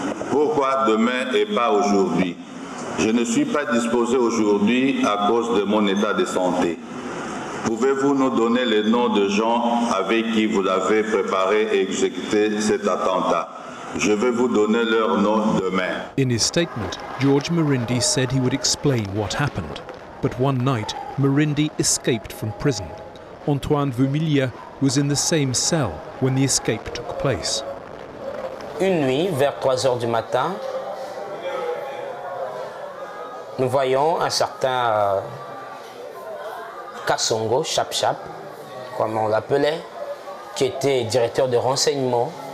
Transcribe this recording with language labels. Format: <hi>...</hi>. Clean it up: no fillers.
<fr>Pourquoi demain et pas aujourd'hui? Je ne suis pas disposé aujourd'hui à cause de mon état de santé. Pouvez-vous nous donner les noms de gens avec qui vous avez préparé et exécuté cet attentat? Je vais vous donner leurs noms demain.</fr> <en>In his statement, George Mirindi said he would explain what happened. But one night, Mirindi escaped from prison. Antoine Vumilia was in the same cell when the escape took place.</en> <fr>Une nuit, vers 3 heures du matin, nous voyons un certain Kasongo, Chap Chap, comme on l'appelait, qui était directeur de renseignement.</fr>